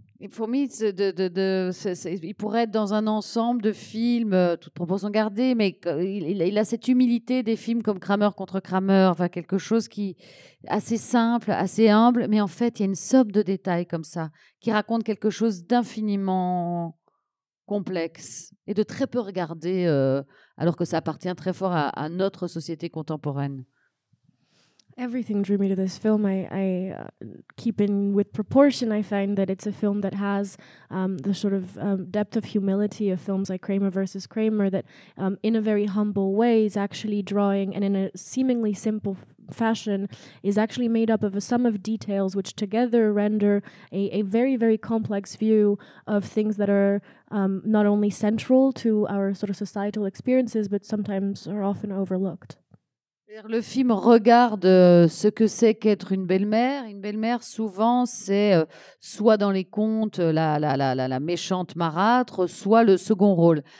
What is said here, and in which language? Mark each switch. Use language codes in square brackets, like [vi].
[en] For me, [fr] il pourrait être dans un ensemble de films, toutes proportions gardées, mais il a cette humilité des films comme Kramer contre Kramer, enfin quelque chose qui est assez simple, assez humble, mais en fait, il y a une somme de détails comme ça, qui raconte quelque chose d'infiniment complexe et de très peu regardé, alors que ça appartient très fort à notre société contemporaine. [en] Everything drew me to this film. I keep in with proportion, I find that it's a film that has the sort of depth of humility of films like Kramer versus Kramer, that in a very humble way is actually drawing, and in a seemingly simple fashion, is actually made up of a sum of details which together render a very, very complex view of things that are not only central to our sort of societal experiences, but sometimes are often overlooked. [fr] Le film regarde ce que c'est qu'être une belle-mère. Une belle-mère, souvent, c'est soit dans les contes la méchante marâtre, soit le second rôle.